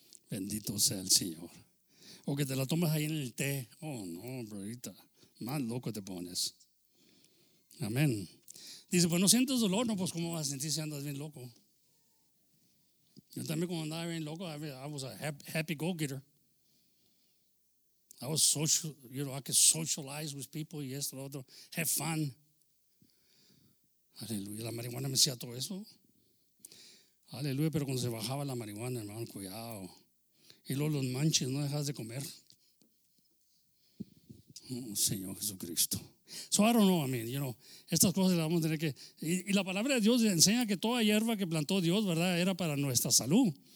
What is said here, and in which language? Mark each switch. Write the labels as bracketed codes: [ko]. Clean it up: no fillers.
[es] Bendito sea el Señor. O que te la tomas ahí en el té, oh no, brodita, más loco te pones. Amén. Dice, pues no sientes dolor, no, pues cómo vas a sentir si andas bien loco. Yo también cuando andaba bien loco, [en] I was a happy go-getter. I was social, you know, I could socialize with people [es] y esto, lo otro, [en] have fun. [es] Aleluya, la marihuana me hacía todo eso. Aleluya, pero cuando se bajaba la marihuana, hermano, cuidado. Y luego los manches, no dejas de comer. Oh, Señor Jesucristo. [en] So I don't know, I mean, you know, [es] estas cosas las vamos a tener que. Y la palabra de Dios enseña que toda hierba que plantó Dios, ¿verdad?, era para nuestra salud,